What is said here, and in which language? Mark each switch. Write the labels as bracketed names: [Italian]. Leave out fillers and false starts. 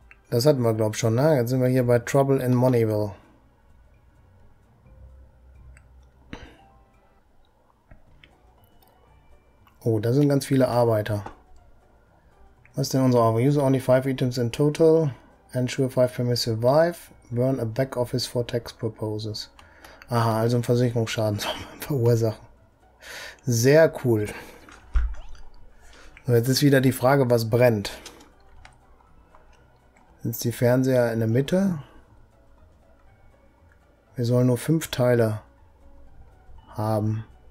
[German] Das hatten wir, glaube ich, schon, ne? Jetzt sind wir hier bei Trouble in Moneyville. Oh, da sind ganz viele Arbeiter. Was denn unsere Arbeit? [English] Use only 5 items in total. Ensure 5 families survive. Burn a back office for tax purposes. [German] Aha, also ein Versicherungsschaden soll man verursachen. Sehr cool. Und jetzt ist wieder die Frage, was brennt. Sind die Fernseher in der Mitte? Wir sollen nur 5 Teile haben.